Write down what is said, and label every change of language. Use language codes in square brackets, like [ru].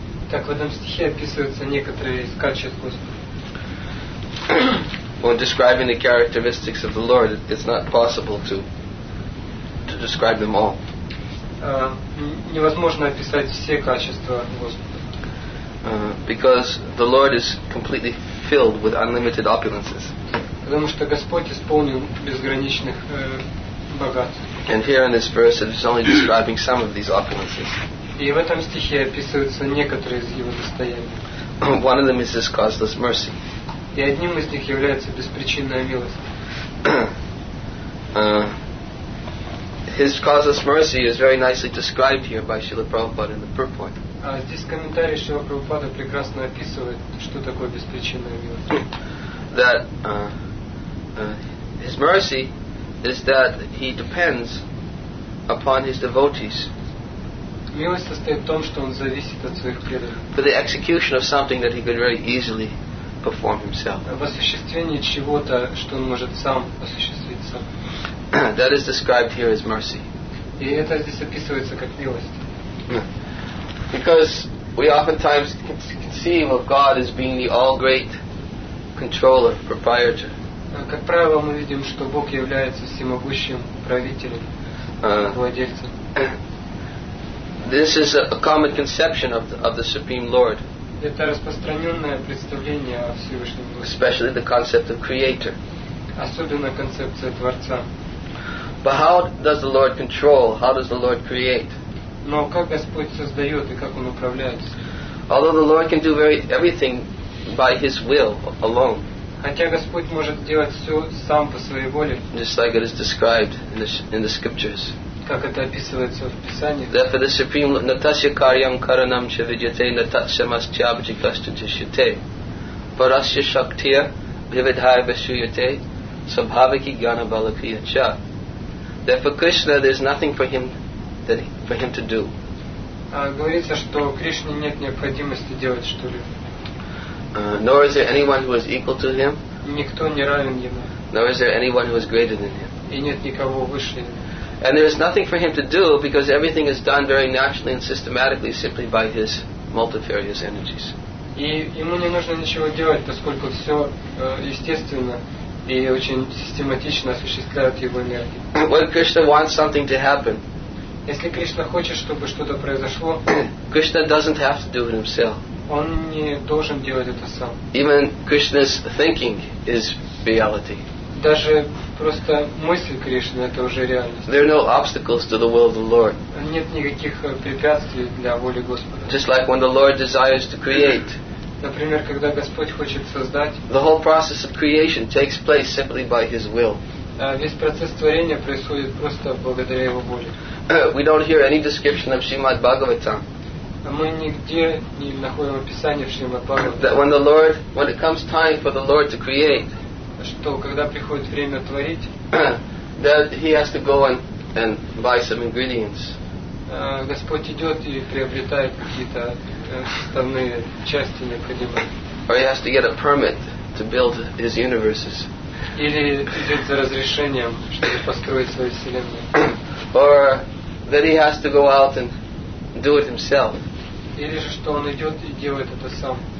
[ru] Так в этом стихе описываются некоторые из качеств Господа. [en] When describing the characteristics of the Lord, it's not possible to describe them all. [ru] Невозможно описать все качества Господа. [en] Because the Lord is completely filled with unlimited opulences. [ru] Потому что Господь исполнил безграничных богатств. [en] And here in this verse, it is only describing some of these opulences. [ru] И в этом стихе описываются некоторые из его достояний. [en] One of them is this causeless mercy. [ru] И одним из них является беспричинная милость. [en] His causeless mercy is very nicely described here by Srila Prabhupada in the purport. [ru] А здесь комментарий Шрила Прабхупады прекрасно описывает, что такое беспричинная милость. [en] That his mercy is that he depends upon his devotees. [ru] Милость состоит в том, что он зависит от своих преданных. [en] For the execution of something that he could very easily perform himself. [ru] В осуществлении чего-то, что он может сам осуществить сам. [en] That is described here as mercy. [ru] И это здесь описывается как милость. [en] Because we oftentimes conceive of God as being the all-great controller, proprietor. [ru] Как правило, мы видим, что Бог является всемогущим правителем, владельцем. [en] This is a common conception of the Supreme Lord. [ru] Это распространенное представление о Всевышнем Боге. [en] Especially the concept of creator. [ru] Особенно концепция Творца. [en] But how does the Lord control? How does the Lord create? [ru] Но как Господь создает и как Он управляется? [en] Although the Lord can do everything by His will alone. [ru] Хотя Господь может делать все сам по своей воле. [en] Just like it is described in the scriptures. [ru] Как это описывается в Писании? [en] Therefore the Supreme Lord, [sa] Natasya Karyam Karanam Chavidyate Natatshamas Chabji Kastajishyate Parasya Shaktiya Vividhaya Vashuyate Sabhaviki Gyana Balakriya Cha. [en] Therefore Krishna, there is nothing for him that he, for him to do. [ru] Говорится, что Кришне нет необходимости делать что-либо. [en] Nor is there anyone who is equal to him. [ru] Никто не равен ему. [en] Nor is there anyone who is greater than him. [ru] И нет никого выше. [en] And there is nothing for him to do because everything is done very naturally and systematically simply by his multifarious energies. [ru] И ему не нужно ничего делать, поскольку все естественно и очень систематично осуществляют его энергии. [en] When Krishna wants something to happen, [ru] если Кришна хочет, чтобы что-то произошло, [en] Krishna doesn't have to do it himself. [ru] Он не должен делать это сам. [en] Even Krishna's thinking is reality. [ru] Даже просто мысль Кришны это уже реальность. [en] There are no obstacles to the will of the Lord. [ru] Нет никаких препятствий для воли Господа. [en] Just like when the Lord desires to create. [ru] Например, когда Господь хочет создать. [en] The whole process of creation takes place simply by His will. [ru] Весь процесс творения происходит просто благодаря Его воле. [en] We don't hear any description of Srimad Bhagavatam. [ru] Мы нигде не находим описание в Шримад Бхагаватам. [en] That when the Lord, when it comes time for the Lord to create, [ru] что когда приходит время творить, [en] that he has to go and buy some ingredients. [ru] Господь идет и приобретает какие-то составные части необходимые. [en] Or he has to get a permit to build his universes. [ru] Или идет за разрешением, чтобы построить свою вселенную. [en] Or that he has to go out and do it himself. [ru] Или же что он идет и делает это сам.